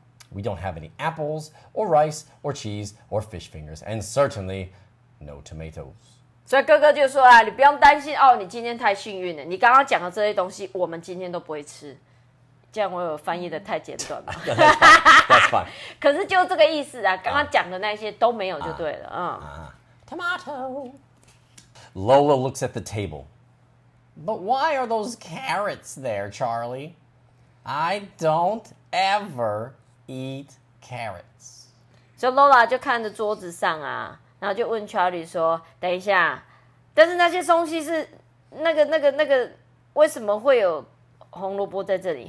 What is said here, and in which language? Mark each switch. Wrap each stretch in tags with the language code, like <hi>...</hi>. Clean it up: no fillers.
<en>We don't have any apples or rice or cheese or fish fingers and certainly... No tomatoes.</en> <zh>所以哥哥就说啊，你不用担心哦，你今天太幸运了。你刚刚讲的这些东西，我们今天都不会吃。这样我有翻译的太简短了。</zh> <en>That's fine.</en> <zh>可是就这个意思啊，刚刚讲的那些都没有就对了。</zh> <en>Tomato. Lola looks at the table. But why are those carrots there, Charlie? I don't ever eat carrots.</en> <zh>所以 Lola 就看着桌子上啊，然后就问 Charlie 说：“等一下，但是那些东西是那个，为什么会有红萝卜在这里？</zh>